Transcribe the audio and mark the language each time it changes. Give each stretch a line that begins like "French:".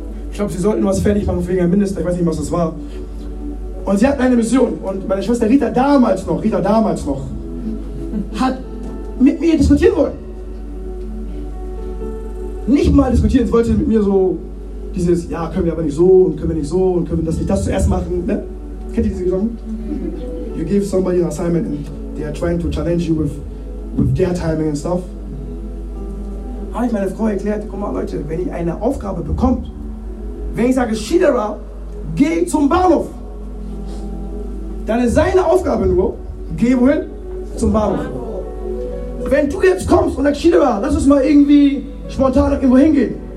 German: Ich glaube, sie sollten was fertig machen wegen einem Minister. Ich weiß nicht, was das war. Und sie hatten eine Mission. Und meine Schwester Rita damals noch, hat mit mir diskutieren wollen. Nicht mal diskutieren. Sie wollte mit mir so dieses, ja, können wir aber nicht so und können wir nicht so und können wir das nicht das zuerst machen. Ne? Kennt ihr diese Gesang?
English: You give somebody an assignment and they are trying to challenge you with their timing and stuff.
German: Habe ich meine Frau erklärt, guck mal Leute, wenn ihr eine Aufgabe bekommt, wenn ich sage, Schiederer, geh zum Bahnhof, dann ist seine Aufgabe nur, geh wohin? Zum Bahnhof. Wenn du jetzt kommst und sagst, Schiederer, lass uns mal irgendwie spontan irgendwo hingehen.